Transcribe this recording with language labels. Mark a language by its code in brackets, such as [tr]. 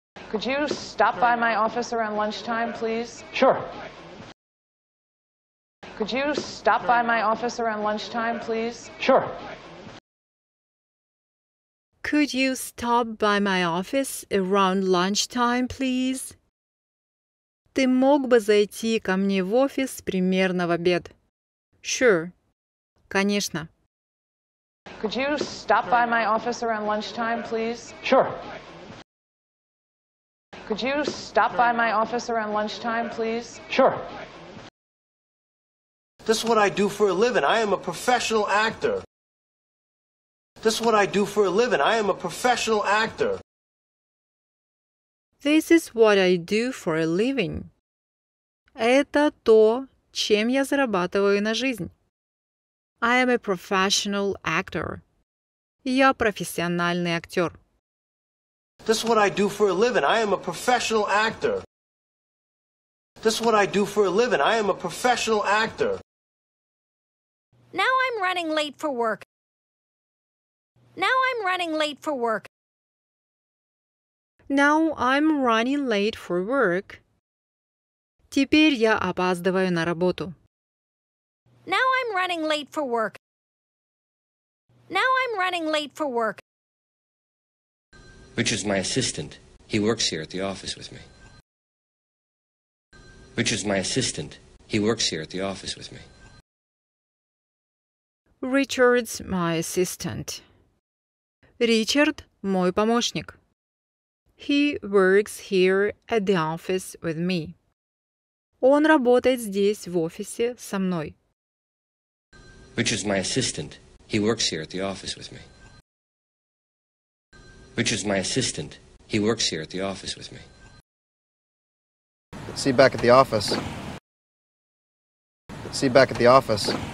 [en] Could you stop by my office around lunchtime, please? Sure. Could you stop by my office around lunchtime, please? Sure. Could you stop by my office around lunchtime, please? [ru] Ты мог бы зайти ко мне в офис примерно в обед? [en] Sure. [ru] Конечно. [en] Could you stop by my office around lunchtime, please? Sure. Could you stop by my office around lunchtime, please? Sure. This is what I do for a living. I am a professional actor. This is what I do for a living. I am a professional actor. This is what I do for a living. [ru] Это то, чем я зарабатываю на жизнь. [en] I am a professional actor. [ru] Я профессиональный актер. [en] This is what I do for a living. I am a professional actor. This is what I do for a living. I am a professional actor. Now I'm running late for work. Now I'm running late for work. Now I'm running late for work. [ru] Теперь я опаздываю на работу. [en] Now I'm running late for work. Now I'm running late for work. Rich is my assistant. He works here at the office with me. Rich is my assistant. He works here at the office with me. Richard's my assistant. Richard – [ru] мой помощник. [en] He works here at the office with me. [ru] Он работает здесь, в офисе, со мной. [en] Rich is my assistant. He works here at the office with me. Rich is my assistant. He works here at the office with me. See you back at the office. See you back at the office.